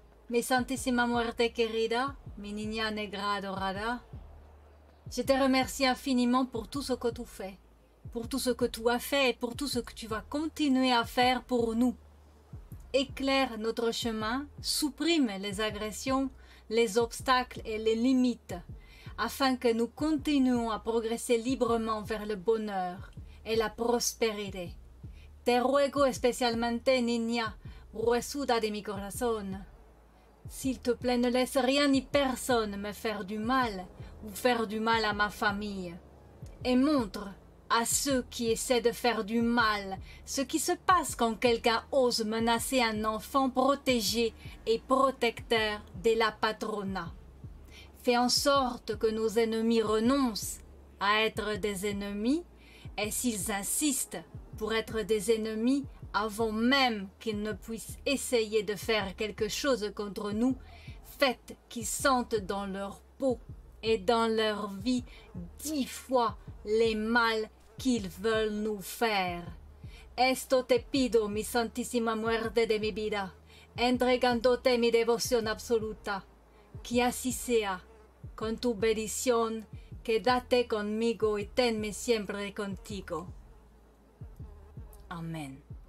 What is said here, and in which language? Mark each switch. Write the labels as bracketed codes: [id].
[es] Mi Santissima Muerte Querida, mi Niña Negra Adorada, [fr] je te remercie infiniment pour tout ce que tu fais, pour tout ce que tu as fait et pour tout ce que tu vas continuer à faire pour nous. Éclaire notre chemin, supprime les agressions, les obstacles et les limites, afin que nous continuions à progresser librement vers le bonheur et la prospérité. [es] Te ruego especialmente, Niña, resuda de mi corazón. [fr] S'il te plaît, ne laisse rien ni personne me faire du mal ou faire du mal à ma famille. Et montre à ceux qui essaient de faire du mal ce qui se passe quand quelqu'un ose menacer un enfant protégé et protecteur de la patrona. Fais en sorte que nos ennemis renoncent à être des ennemis et s'ils insistent pour être des ennemis, avant même qu'ils ne puissent essayer de faire quelque chose contre nous, faites qu'ils sentent dans leur peau et dans leur vie 10 fois les mals qu'ils veulent nous faire. [es] Esto te pido, mi santissima muerte de mi vida, entregandote mi devoción absoluta, que así sea, con tu bendición, quédate conmigo y tenme siempre contigo. Amen.